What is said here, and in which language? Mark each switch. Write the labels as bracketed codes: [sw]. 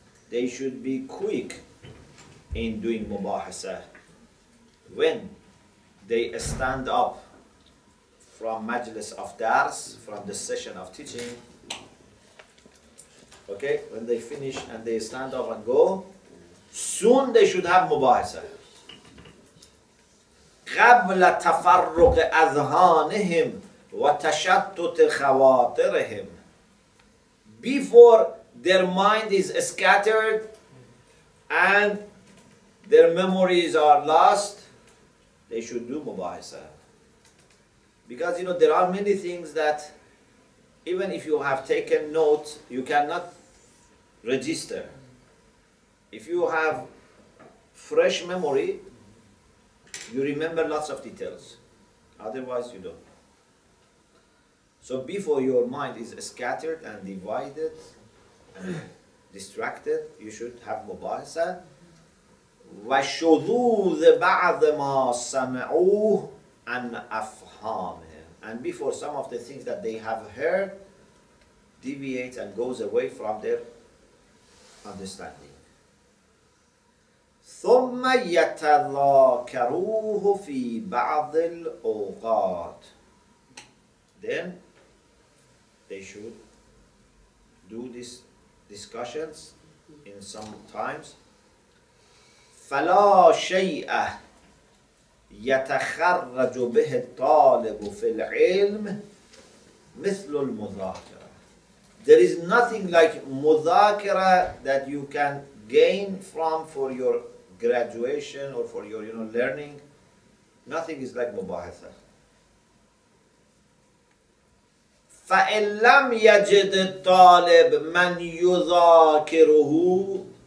[en] They should be quick in doing mubahasa when they stand up from majlis of dars, from the session of teaching. Okay, when they finish and they stand up and go, soon they should have mubahasa. [ar] قبل تفرق اذهانهم وتشتت خواطرهم. [en] Before their mind is scattered and their memories are lost, they should do mubahasa. Because you know there are many things that even if you have taken notes, you cannot register. If you have fresh memory, you remember lots of details. Otherwise, you don't. So before your mind is scattered and divided and distracted, you should have mubahasa. [ar] وَشُذُوذِ بَعْضِ مَا سَمَعُوهُ أَنْ أَفْهَامِهِ. [en] And before some of the things that they have heard deviate and goes away from their understanding. [ar] ثم يتذاكروه في بعض الأوقات. [en] Then they should do these discussions in some times. [ar] فلا شيء يتخرج به الطالب في العلم مثل المذاكرة. [en] There is nothing like مذاكرة that you can gain from for your graduation or for your, you know, learning. Nothing is like mubahasa. [ar] فَإِنْ لَمْ يَجِدْ طَالِبْ مَنْ يُذَاكِرُهُ.